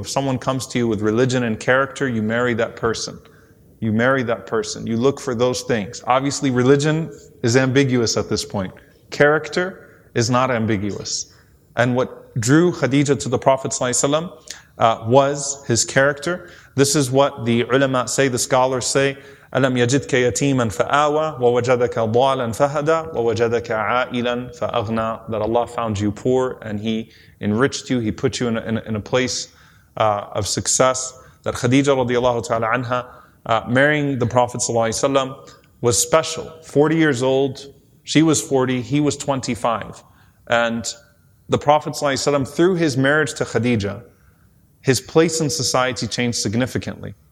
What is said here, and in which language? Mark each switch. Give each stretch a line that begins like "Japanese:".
English: If someone comes to you with religion and character, you marry that person. You marry that person. You look for those things. Obviously, religion is ambiguous at this point. Character is not ambiguous. And what drew Khadija to the Prophet ﷺ was his character. This is what the ulama say, the scholars say,
Arabic: أَلَمْ يَجِدْكَ يَتِيمًا فَآوَى وَوَجَدَكَ ضَالًا فَهَدَى وَوَجَدَكَ عَائِلًا فَأَغْنَى.
English: That Allah found you poor and He enriched you. He put you in a place of success. That Khadija radiallahu ta'ala anha, marrying the Prophet ﷺ was special. 40 years old, she was 40, he was 25. And the Prophet ﷺ, through his marriage to Khadija, his place in society changed significantly.